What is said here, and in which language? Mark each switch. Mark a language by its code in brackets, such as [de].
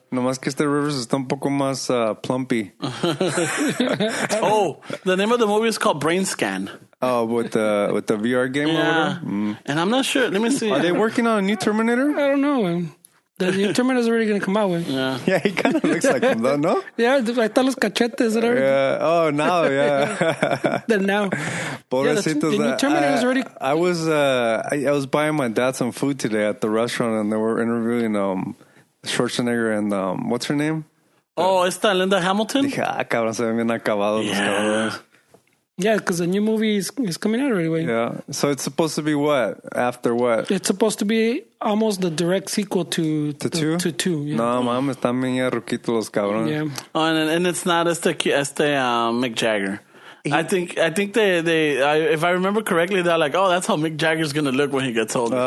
[es] No más que este Rivers está un poco más plumpy. [en] Oh, the name of the movie is called Brain Scan. Oh, with the VR game yeah. or whatever? Mm. And I'm not sure. Let me see. Are they working on a new Terminator? I don't know, man. The new Terminator is already going to come out with. Yeah. Yeah, he kind of looks like him, though, no? Yeah, I thought [es] los cachetes [en] and everything. Yeah. Oh, now, yeah. Then now. [es] Pobrecitos. [en] Yeah, the new Terminator is already. I was buying my dad some food today at the restaurant, and they were interviewing Schwarzenegger and what's her name? [es] Oh, esta Linda Hamilton? [en] Yeah, [es] cabrón, se ven bien acabados los cabrones. [en] Yeah, because the new movie is coming out anyway. Yeah, so it's supposed to be what? After what? It's supposed to be almost the direct sequel to two? To two. Yeah. [es] No, mames, están bien ruquitos los cabrones. [en] Yeah. Oh, and it's not [es] este [en] Mick Jagger. I think they if I remember correctly, they're like, oh, that's how Mick Jagger's going to look when he gets older.